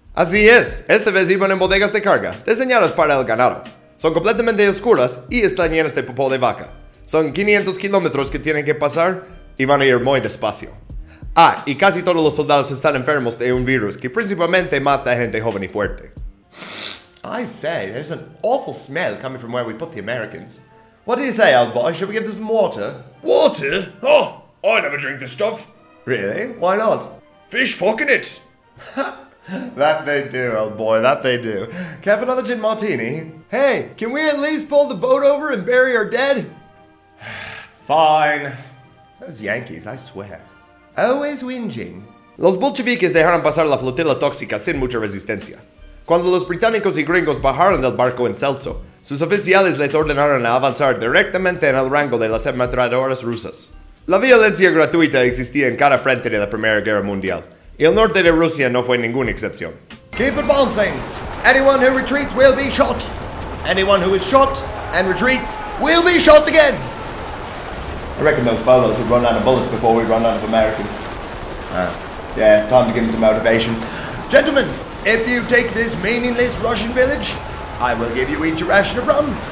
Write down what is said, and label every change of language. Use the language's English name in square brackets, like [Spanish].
[Spanish] Así es, esta vez iban en bodegas de carga, diseñadas para el ganado. Son completamente oscuras y están llenas de popó de vaca. Son 500 kilómetros que tienen que pasar y van a ir muy despacio. Ah, y casi todos los soldados están enfermos de un virus que principalmente mata a gente joven y fuerte. [English] I say, there's an awful smell coming from where we put the Americans. What do you say, old boy? Should we give this water? Water? Oh, I never drink this stuff. Really? Why not? Fish fucking it! That they do, old boy, that they do. Can I have another gin martini? Hey, can we at least pull the boat over and bury our dead? Fine. Those Yankees, I swear. Always whinging. [Spanish] Los bolcheviques dejaron pasar la flotilla tóxica sin mucha resistencia. Cuando los británicos y gringos bajaron del barco en Celso, sus oficiales les ordenaron a avanzar directamente en el rango de las ametralladoras rusas. La violencia gratuita existía en cada frente de la Primera Guerra Mundial, y el norte de Rusia no fue ninguna excepción. [English] Keep advancing! Anyone who retreats will be shot! Anyone who is shot and retreats will be shot again! I reckon those fellows have run out of bullets before we run out of Americans. Yeah, time to give them some motivation. Gentlemen, if you take this meaningless Russian village, I will give you each a ration of rum.